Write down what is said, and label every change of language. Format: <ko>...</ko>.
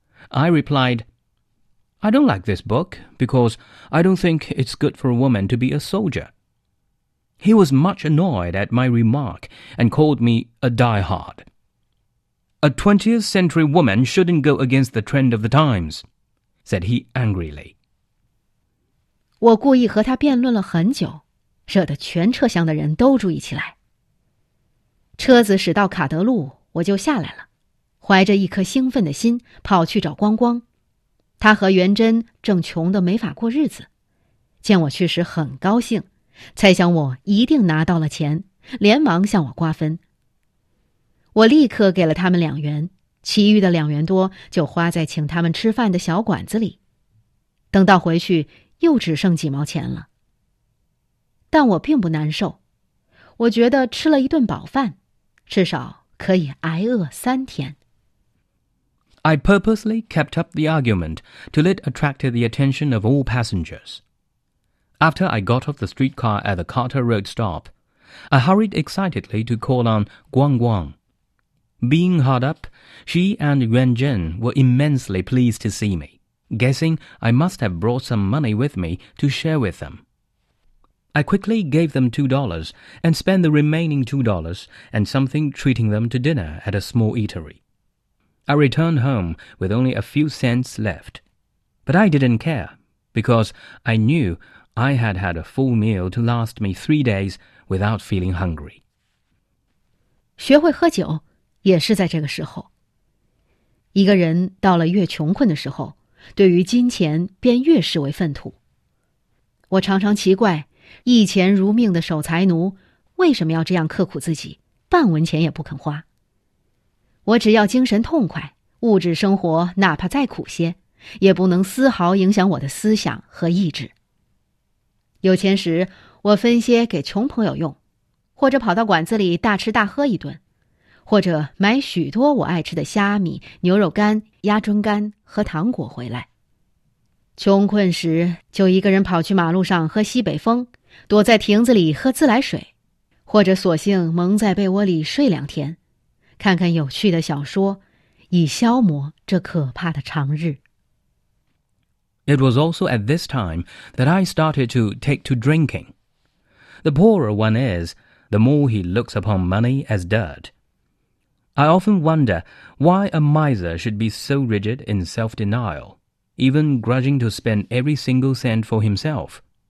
<en>I replied, I don't like this book because I don't think it's good for a woman to be a soldier. He was much annoyed at my remark and called me a diehard. A 20th century woman shouldn't go against the trend of the times, said he angrily.</en> <zh>我故意和他辩论了很久，惹得全车厢的人都注意起来。车子驶到卡德路，我就下来了，怀着一颗兴奋的心跑去找光光。他和元珍正穷得没法过日子，见我去时很高兴，猜想我一定拿到了钱，连忙向我瓜分。我立刻给了他们2元，其余的2元多就花在请他们吃饭的小馆子里。等到回去又只剩几毛钱了。但我并不难受，我觉得吃了一顿饱饭，至少可以挨饿3天。</zh> <en>I purposely kept up the argument till it attracted the attention of all passengers. After I got off the streetcar at the Carter Road stop, I hurried excitedly to call on Guang Guang. Being hard up, she and Yuan Zhen were immensely pleased to see me. Guessing I must have brought some money with me to share with them. I quickly gave them $2 and spent the remaining $2 and something treating them to dinner at a small eatery. I returned home with only a few cents left. But I didn't care, because I knew I had had a full meal to last me 3 days without feeling hungry.</en> <zh>学会喝酒也是在这个时候。一个人到了越穷困的时候，对于金钱便越视为粪土。我常常奇怪，一钱如命的守财奴为什么要这样刻苦自己，半文钱也不肯花。我只要精神痛快，物质生活哪怕再苦些，也不能丝毫影响我的思想和意志。有钱时，我分些给穷朋友用，或者跑到馆子里大吃大喝一顿，或者买许多我爱吃的虾米、牛肉干、鸭胗肝和糖果回来。穷困时，就一个人跑去马路上喝西北风，躲在亭子里喝自来水，或者索性蒙在被窝里睡2天，看看有趣的小说，以消磨这可怕的长日。</zh> <en>It was also at this time that I started to take to drinking. The poorer one is, the more he looks upon money as dirt. I often wonder why a miser should be so rigid in self-denial, even grudging to spend every single cent for himself.</en>